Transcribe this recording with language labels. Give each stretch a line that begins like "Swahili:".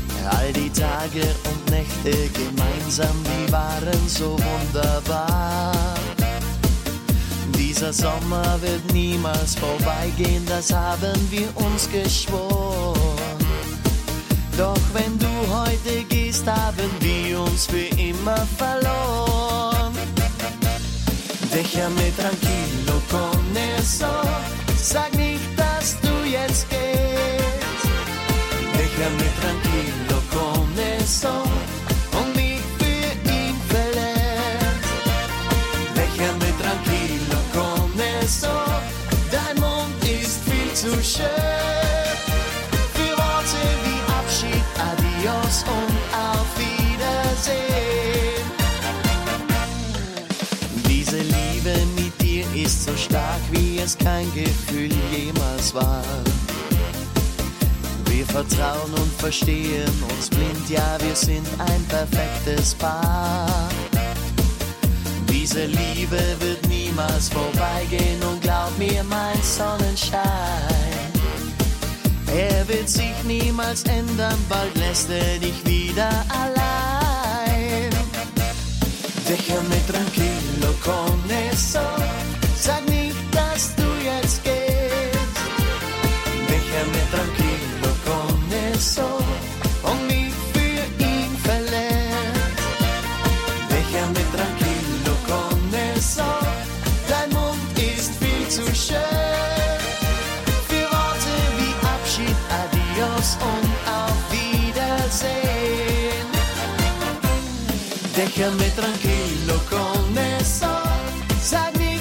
German: All die Tage und Nächte gemeinsam, die waren so wunderbar. Dieser Sommer wird niemals vorbeigehen, das haben wir uns geschworen. Doch wenn du heute gehst, haben wir uns für immer verloren.
Spanish: Déjame tranquilo con eso.
German: Sag nicht, dass du jetzt gehst.
Spanish: Déjame tranquilo con eso
German: und mich für ihn verletzt.
Spanish: Déjame tranquilo con eso.
German: Dein Mund ist viel zu schön für Worte wie Abschied, Adios und auf Wiedersehen. Diese Liebe mit dir ist so stark wie es kein Gefühl jemals war. Wir vertrauen und verstehen uns blind, ja, wir sind ein perfektes Paar. Diese Liebe wird niemals vorbeigehen und glaub mir, mein Sonnenschein, er wird sich niemals ändern, bald lässt er dich wieder allein.
Spanish: Déjame tranquilo con eso.
German: Sag nicht, dass du jetzt gehst.
Spanish: Déjame tranquilo con eso
German: und mich für ihn verletzt.
Spanish: Déjame tranquilo con eso.
German: Dein Mund ist viel zu schön für Worte wie Abschied, Adios und auf Wiedersehen.
Spanish: Déjame tranquilo con eso.